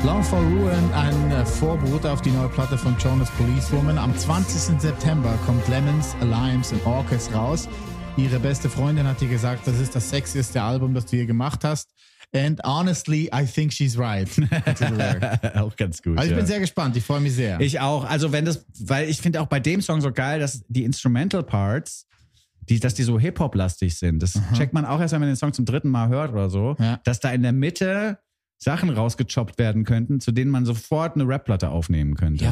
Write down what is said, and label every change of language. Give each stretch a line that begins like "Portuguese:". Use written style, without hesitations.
German: Ruin ein Vorbote auf die neue Platte von Jonas Policewoman. Am 20. September kommt Lemons, Limes und Orcas raus. Ihre beste Freundin hat ihr gesagt, das ist das sexieste Album, das du je gemacht hast.
English: And honestly, I think she's right.
German: Auch ganz gut. Also ich bin sehr gespannt, ich freue mich sehr. Ich auch. Also wenn das, weil ich finde auch bei dem Song so geil, dass die Instrumental Parts, dass die so Hip-Hop-lastig sind. Das checkt man auch erst, wenn man den Song zum dritten Mal hört oder so. Ja. Dass da in der Mitte Sachen rausgechoppt werden könnten, zu denen man sofort eine Rap-Platte aufnehmen könnte.